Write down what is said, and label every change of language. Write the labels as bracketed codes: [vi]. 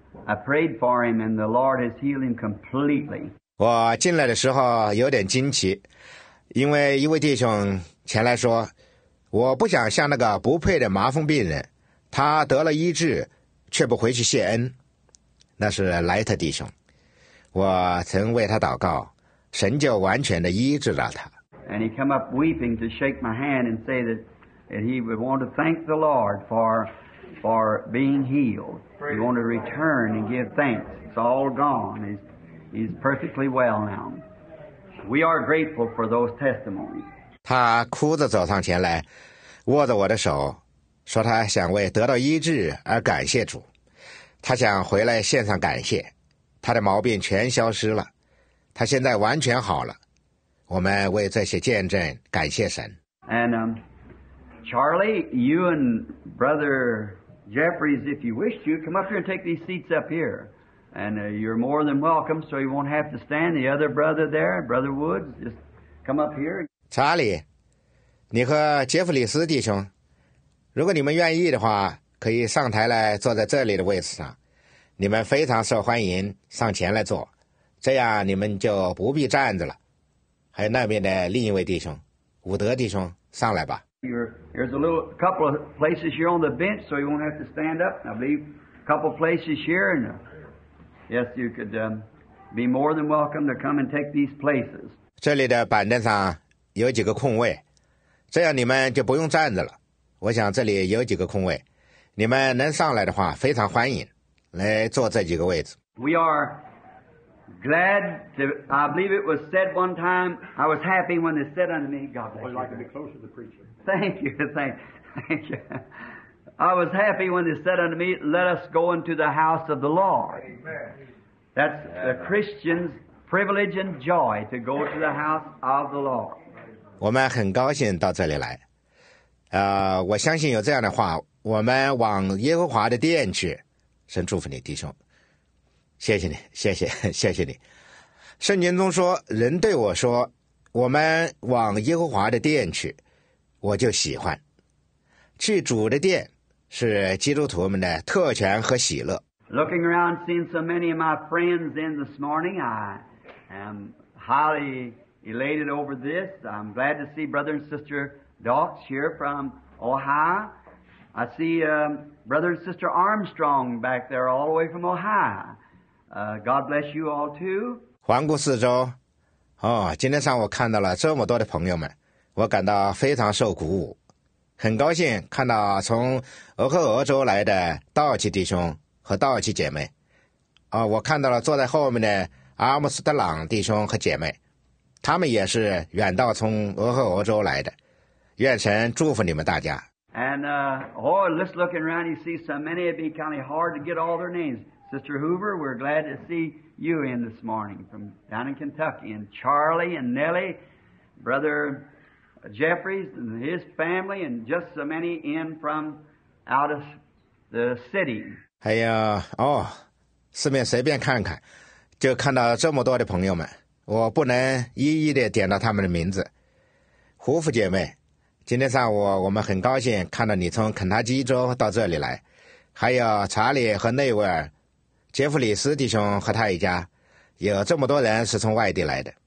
[en] I prayed for him and the Lord has healed him completely. [zh] 我进来的时候有点惊奇，因为一位弟兄前来说，我不想像那个不配的麻风病人，他得了医治却不回去谢恩。那是莱特弟兄。我曾为他祷告，神就完全地医治了他。 [en] And he came up weeping to shake my hand and say that he would want to thank the Lord for being healed. He wanted to return and give thanks. It's all gone. He's perfectly well now. We are grateful for those testimonies. [zh] 他哭着走上前来，握着我的手，说他想为得到医治而感谢主，他想回来献上感谢。他的毛病全消失了，他现在完全好了。我们为这些见证感谢神。 [en] And Charlie, you and Brother Jeffries, if you wish to, come up here and take these seats up here. And you're more than welcome, so you won't have to stand. The other brother there, Brother Woods, just come up here. [zh] 查理，你和杰弗里斯弟兄，如果你们愿意的话，可以上台来坐在这里的位置上。你们非常受欢迎，上前来坐，这样你们就不必站着了。还有那边的另一位弟兄，伍德弟兄，上来吧。 [en] There's a little couple of places here on the bench, so you won't have to stand up. I believe a couple of places here, and yes, you could be more than welcome to come and take these places. [zh] 这里的板凳上有几个空位，这样你们就不用站着了。我想这里有几个空位，你们能上来的话，非常欢迎。来坐这几个位置。 [en] We are glad to. I believe it was said one time. I was happy when they said unto me, "God bless you." I'd like to be closer to the preacher. Thank you, thank you. I was happy when they said unto me, "Let us go into the house of the Lord." Amen. That's the Christian's privilege and joy to go to the house of the Lord. [zh] 我们很高兴到这里来。我相信有这样的话，我们往耶和华的殿去。神祝福你，弟兄，谢谢你，谢谢，谢谢你。圣经中说，人对我说，我们往耶和华的殿去，我就喜欢。去主的殿是基督徒们的特权和喜乐。 [en] Looking around, seeing so many of my friends in this morning, I am highly elated over this. I'm glad to see brother and sister Docs here from Ohio. I see Brother and Sister Armstrong back there all the way from Ohio. God bless you all too. [zh] 环顾四周，哦，今天上午看到了这么多的朋友们，我感到非常受鼓舞，很高兴看到从俄克俄州来的道奇弟兄和道奇姐妹。哦，我看到了坐在后面的阿姆斯特朗弟兄和姐妹，他们也是远道从俄克俄州来的。愿神祝福你们大家。 [en] Let's look around. You see so many. It'd be kind of hard to get all their names. Sister Hoover, we're glad to see you in this morning from down in Kentucky. And Charlie and Nellie, Brother Jeffries and his family and just so many in from out of the city. [zh] 哎呀，哦，四面随便看看，就看到这么多的朋友们，我不能一一的点到他们的名字。胡夫姐妹，今天上午我们很高兴看到你从肯塔基州到这里来，还有查理和内维尔、杰弗里斯弟兄和他一家，有这么多人是从外地来的。